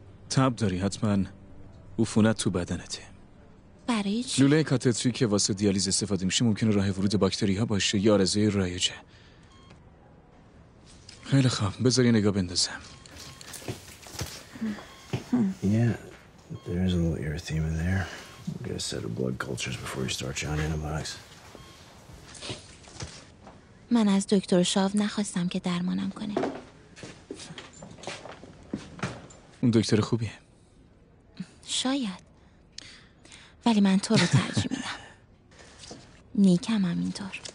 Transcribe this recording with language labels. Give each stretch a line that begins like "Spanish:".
Persian: تب داری، حتما عفونت تو بدنته. برای چی؟ لوله کاتتری که واسه دیالیز استفاده میشه ممکنه راه ورود باکتری ها باشه یا عارضه رایجه. خیلی خوب، بذار یه نگاه بندازم.
English: There's a little erythema there. We'll get a set of blood cultures before you start your antibiotics.
Persian: من از دکتر شاو نخواستم که درمانم کنه. اون دکتر خوبیه. شاید. ولی من تو رو ترجیح میدم. نیکم هم اینطور.